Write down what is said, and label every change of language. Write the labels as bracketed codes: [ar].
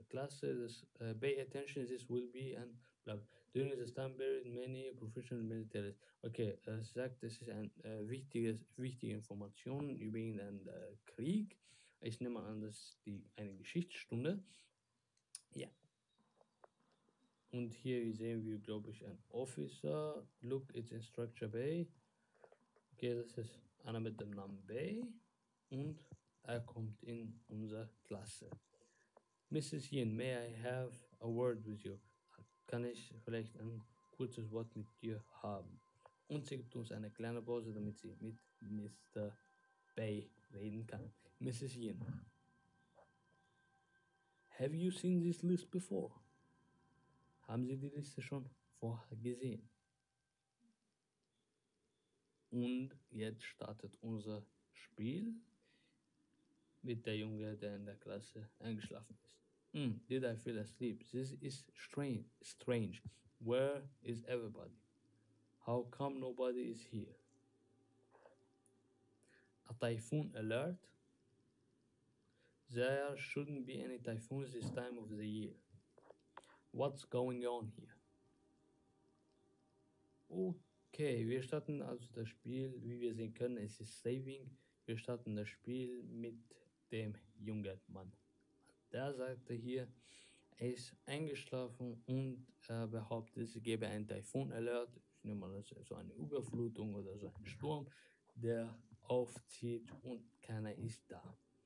[en] Class, pay attention, this will be an blah. During this time period, many professional military. [de] Okay, sagt, das ist ein wichtige Information über den Krieg. Ich nehme an, das ist eine Geschichtsstunde. Ja. Und hier sehen wir, glaube ich, ein Officer. [en] Look, it's in Structure Bay. [de] Okay, das ist einer mit dem Namen Bay. Und er kommt in unsere Klasse. Mrs. [en] Yin, may I have a word with you? [de] Kann ich vielleicht ein kurzes Wort mit dir haben? Und sie gibt uns eine kleine Pause, damit sie mit Mr. [en] Bay [de] reden kann. [en] Mrs. Yin, have you seen this list before? [de] Haben Sie die Liste schon vorher gesehen? Und jetzt startet unser Spiel mit der Junge, der in der Klasse eingeschlafen ist. [en] Did I feel asleep? This is strange. Where is everybody? How come nobody is here? A typhoon alert? There shouldn't be any typhoons this time of the year. What's going on here? [de] Okay, wir starten also das Spiel, wie wir sehen können, es ist saving. Wir starten das Spiel mit dem jungen Mann. Der sagte hier, er ist eingeschlafen und er behauptet, es gebe einen Typhoon Alert, ich nehme mal das, so eine Überflutung oder so einen Sturm, der aufzieht und keiner ist da.